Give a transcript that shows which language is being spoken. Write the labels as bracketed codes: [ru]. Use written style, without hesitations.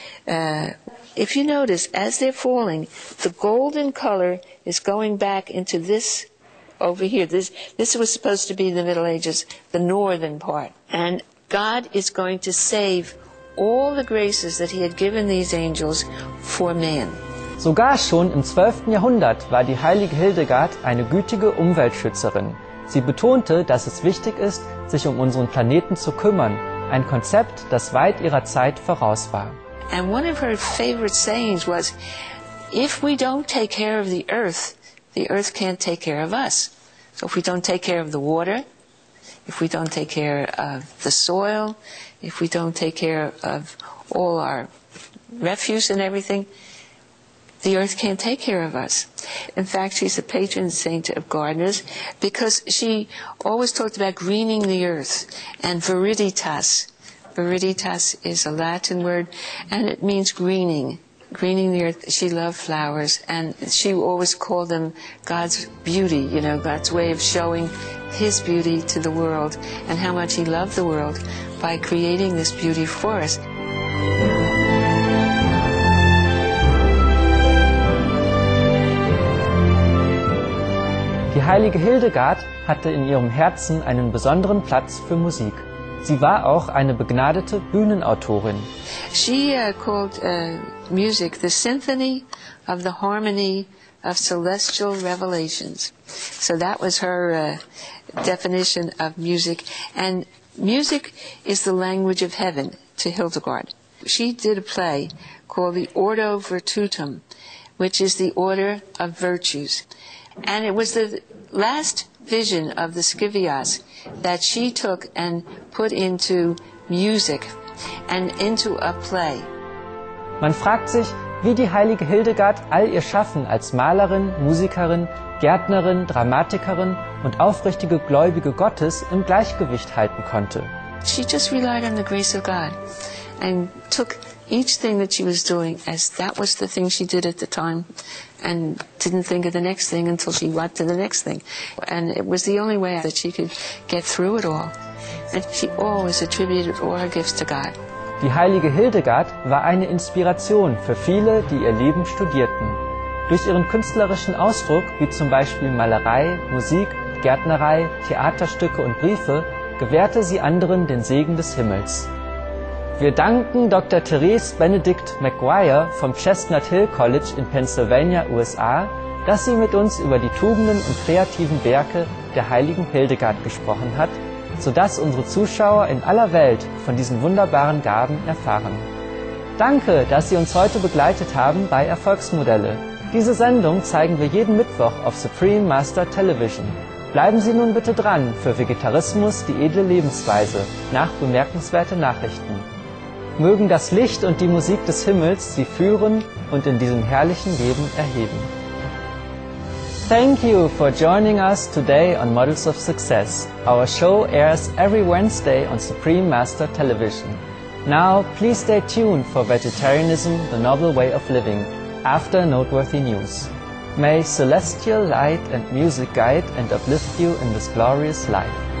[en] If you notice, as they're falling, the golden color is going back into this over here. This was supposed to be the Middle Ages, the northern part. And God is going to save all the graces that he had given these angels for man. [de] Sogar schon im 12. Jahrhundert war die heilige Hildegard eine gütige Umweltschützerin. Sie betonte, dass es wichtig ist, sich um unseren Planeten zu kümmern, ein Konzept, das weit ihrer Zeit voraus war. [en] And one of her favorite sayings was, if we don't take care of the earth can't take care of us. So if we don't take care of the water, if we don't take care of the soil, if we don't take care of all our refuse and everything, the earth can't take care of us. In fact, she's the patron saint of gardeners because she always talked about greening the earth and viriditas. Viriditas is a Latin word and it means greening, greening the earth. She loved flowers and she always called them God's beauty, you know, God's way of showing his beauty to the world and how much he loved the world by creating this beauty for us. [de] Die heilige Hildegard hatte in ihrem Herzen einen besonderen Platz für Musik. Sie war auch eine begnadete Bühnenautorin. [en] She called music the symphony of the harmony of celestial revelations. So that was her definition of music. And music is the language of heaven to Hildegard. She did a play called the Ordo Virtutum, which is the order of virtues. And it was the last vision of the Scivias that she took and put into music and into a play. [de] Man fragt sich, wie die heilige Hildegard all ihr Schaffen als Malerin, Musikerin, Gärtnerin, Dramatikerin und aufrichtige Gläubige Gottes im Gleichgewicht halten konnte. [en] She just relied on the grace of God and took each thing that she was doing as that was the thing she did at the time. And didn't think of the next thing until she went to the next thing. And it was the only way that she could get through it all. And she always attributed all her gifts to God. [de] Die heilige Hildegard war eine Inspiration für viele, die ihr Leben studierten. Durch ihren künstlerischen Ausdruck, wie zum Beispiel Malerei, Musik, Gärtnerei, Theaterstücke und Briefe, gewährte sie anderen den Segen des Himmels. Wir danken Dr. Therese Benedict McGuire vom Chestnut Hill College in Pennsylvania, USA, dass sie mit uns über die Tugenden und kreativen Werke der heiligen Hildegard gesprochen hat, sodass unsere Zuschauer in aller Welt von diesen wunderbaren Gaben erfahren. Danke, dass Sie uns heute begleitet haben bei Erfolgsmodelle. Diese Sendung zeigen wir jeden Mittwoch auf Supreme Master Television. Bleiben Sie nun bitte dran für Vegetarismus, die edle Lebensweise, nach bemerkenswerte Nachrichten. Mögen das Licht und die Musik des Himmels Sie führen und in diesem herrlichen Leben erheben. [en] Thank you for joining us today on Models of Success. Our show airs every Wednesday on Supreme Master Television. Now, please stay tuned for Vegetarianism, the Noble Way of Living, after Noteworthy News. May celestial light and music guide and uplift you in this glorious life.